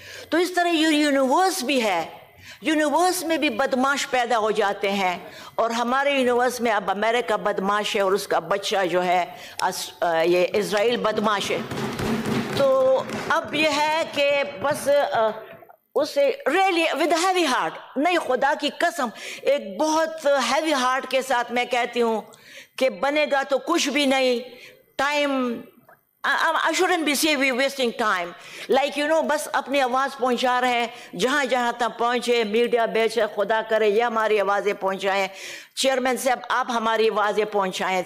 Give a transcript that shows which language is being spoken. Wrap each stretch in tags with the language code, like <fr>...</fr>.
<ur>تو اس طرح یہ یونیورس بھی ہے، یونیورس میں بھی بدماش پیدا ہو جاتے ہیں، اور ہمارے یونیورس میں اب امریکہ بدماش ہے اور اس کا بچہ جو ہے یہ اسرائیل بدماش ہے. تو اب یہ ہے کہ بس اسے</ur> <en>really with heavy heart,</en> <ur>نہیں خدا کی قسم ایک بہت ہیوی ہارٹ کے ساتھ میں کہتی ہوں کہ بنے گا تو کچھ بھی نہیں.</ur> <en>Time I shouldn't be saying we're wasting time. Like, you know,</en> <ur>بس اپنی آواز پہنچا رہے ہیں جہاں جہاں تک پہنچے، میڈیا بیچ ہے، خدا کرے یہ ہماری آوازیں پہنچائیں. چیئرمین صاحب آپ ہماری آوازیں پہنچائیں.</ur>